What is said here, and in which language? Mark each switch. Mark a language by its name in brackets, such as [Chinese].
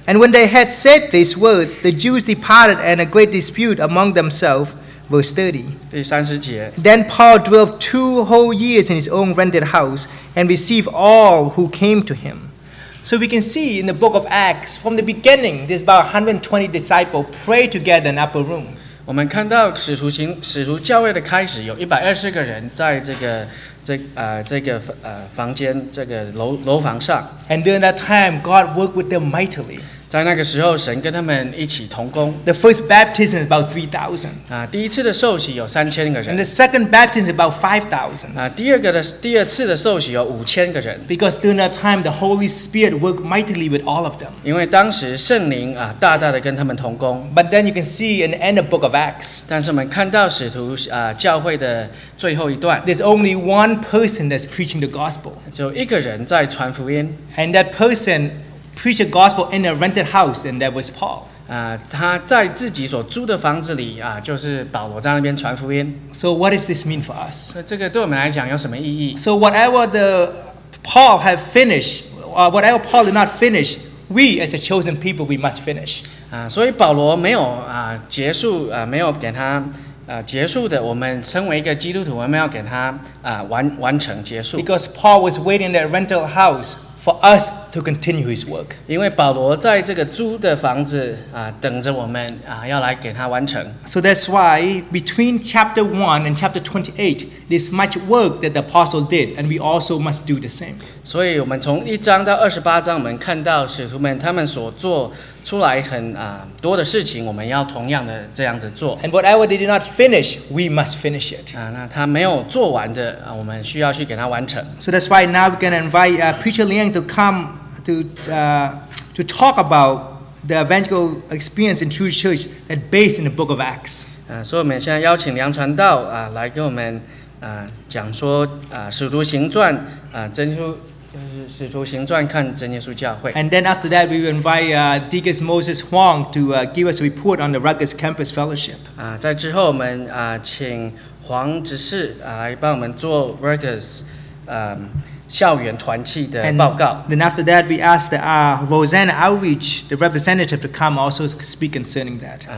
[English] And when they had said these words, the Jews departed and a great dispute among themselves, verse 30. [Chinese] 第30节 [English] Then Paul dwelt two whole years in his own rented house and received all who came to him. So we can see in the book of Acts, from the beginning, there's about 120 disciples pray together in upper room. [Chinese] 我们看到使徒教会的开始有120个人在这个房间这个楼房上。 [English] And during that time, God worked with them mightily. [Chinese] 在那个时候，神跟他们一起同工。 [English] The first baptism is about 3,000. [Chinese] 第一次的受洗有3,000个人。 [English] And the second baptism is about 5,000. [Chinese] 第二次的受洗有5,000个人。 [English] Because during that time, the Holy Spirit worked mightily with all of them. [Chinese] 因为当时圣灵大大的跟他们同工。 [English] But then you can see in the end of the book of Acts. [Chinese] 但是我们看到使徒教会的最后一段。 [English] There's only one person that's preaching the gospel. [Chinese] 只有一个人在传福音。 [English] And that person preached the gospel in a rented house, and that was Paul. [Chinese] 他在自己所租的房子里就是保罗在那边传福音。 [English] So what does this mean for us? [Chinese] 这个对我们来讲有什么意义？ [English] So whatever Paul had finished, whatever Paul did not finish, we as a chosen people, we must finish. [Chinese] 所以保罗没有结束没有给他结束的，我们身为一个基督徒，我们要给他完成结束。 [English] Because Paul was waiting in that rental house for us to continue his work. [Chinese] 因为保罗在这个租的房子等着我们要来给他完成。 [English] So that's why between chapter 1 and chapter 28, there's much work that the apostle did, and we also must do the same. [Chinese] 所以我们从一章到二十八章，我们看到使徒们他们所做出来很多的事情，我们要同样的这样子做。 [English] And whatever they did not finish, we must finish it. [Chinese] 那他没有做完的我们需要去给他完成。 [English] So that's why now we're going to invite Preacher Liang to come to talk about the evangelical experience in True Church that based in the Book of Acts. [Chinese] 所以我们现在邀请梁传道来给我们讲说使徒行传真书。就是《使徒行传》看真耶稣教会。 [English] And then after that, we will invite Deacon Moses Huang to give us a report on the Rutgers Campus Fellowship. [Chinese] 在之后我们请黄执事来帮我们做 Rutgers 校园团契的报告。 [English] And then after that, we asked the Rosanna Outreach, the representative, to come also speak concerning that.